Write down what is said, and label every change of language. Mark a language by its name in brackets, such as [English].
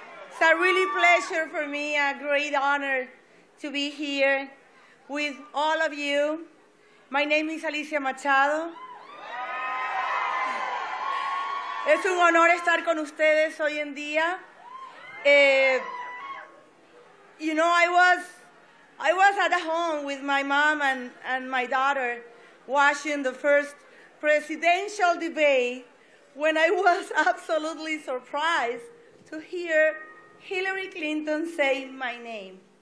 [English] It's a really pleasure for me, a great honor to be here with all of you. My name is Alicia Machado. [Spanish] Es un honor estar con ustedes hoy en día. [English] You know, I was at home with my mom and my daughter watching the first presidential debate when I was absolutely surprised to hear Hillary Clinton say my name.